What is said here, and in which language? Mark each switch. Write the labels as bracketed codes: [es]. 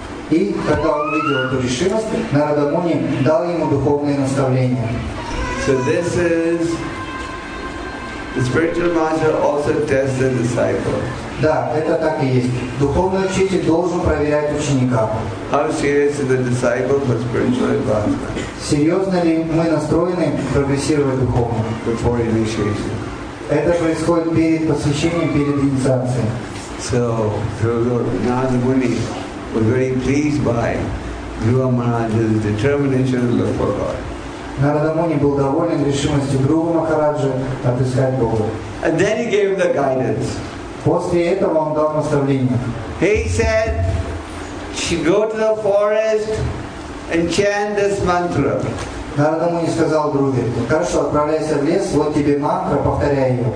[ru] И когда он увидел эту решимость, Нарада Муни дал ему духовные наставления. [en] So this is the spiritual master also tests the disciple. [ru] Да, это так и есть. Духовный учитель должен проверять ученика. [en] How serious is the disciple for spiritual advancement? [ru] Серьезно ли мы настроены прогрессировать духовно? [en] Before initiation. [ru] Это происходит перед посвящением, перед инициацией. [en] So, Narada Muni was very pleased by Guru Maharaj's determination to look for God. [ru] Нарада Муни был доволен решимостью Гуру Махараджа отыскать Бога. [en] And then he gave the guidance. [ru] После этого он дал наставление. [en] He said, go to the forest and chant this mantra. [ru] Нарада Муни сказал Груве, хорошо, отправляйся в лес, вот тебе мантра, повторяй ее.